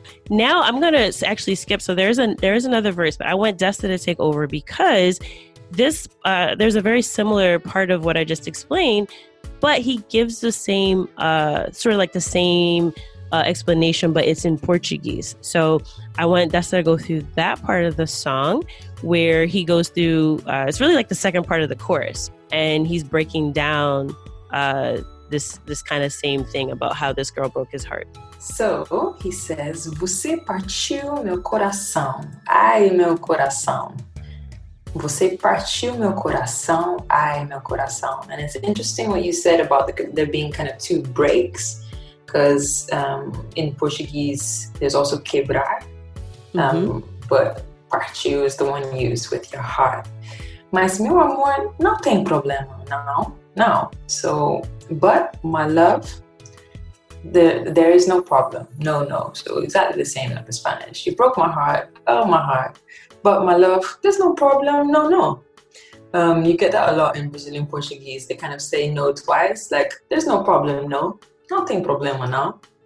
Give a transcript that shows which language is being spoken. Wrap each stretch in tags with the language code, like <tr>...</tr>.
<en>Now I'm gonna actually skip. So there is another verse, but I want Desta to take over because this there's a very similar part of what I just explained, but he gives the same sort of like the same explanation, but it's in Portuguese. So I want Desta to go through that part of the song where he goes through it's really like the second part of the chorus, and he's breaking down this kind of same thing about how this girl broke his heart.</en> <pt>So he says, você partiu meu coração, ai meu coração. Você partiu meu coração, ai meu coração.</pt> <en>And it's interesting what you said about there being kind of two breaks, because in Portuguese there's also quebrar, but partiu is the one used with your heart.</en> <pt>Mas meu amor, não tem problema, não.</pt> <en>No, so, but my love, there is no problem. No. So exactly the same like the Spanish. You broke my heart. Oh, my heart. But my love, there's no problem. No. You get that a lot in Brazilian Portuguese. They kind of say no twice. Like, there's no problem. No,</en> <pt>não tem problema, não.</pt>